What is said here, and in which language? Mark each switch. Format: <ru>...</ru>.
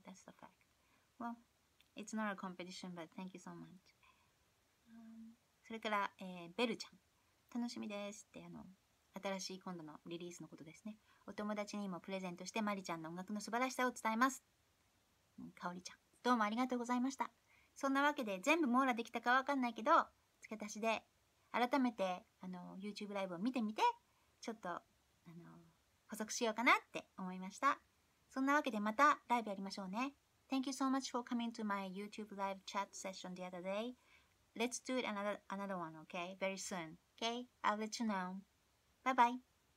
<en>That's the fact. Well, it's not a competition, but thank you so much.、</en> <ja>それから、ベルちゃん、楽しみですって、あの新しい今度のリリースのことですね。お友達にもプレゼントしてマリちゃんの音楽の素晴らしさを伝えます。かおりちゃん、どうもありがとうございました。そんなわけで全部網羅できたかわかんないけど、付け足しで改めてあの YouTube ライブを見てみて、ちょっとあの補足しようかなって思いました。そんなわけでまたライブやりましょうね。</ja> <en>Thank you so much for coming to my YouTube live chat session the other day. Let's do it another one, okay? Very soon, okay? I'll let you know. Bye bye.</en>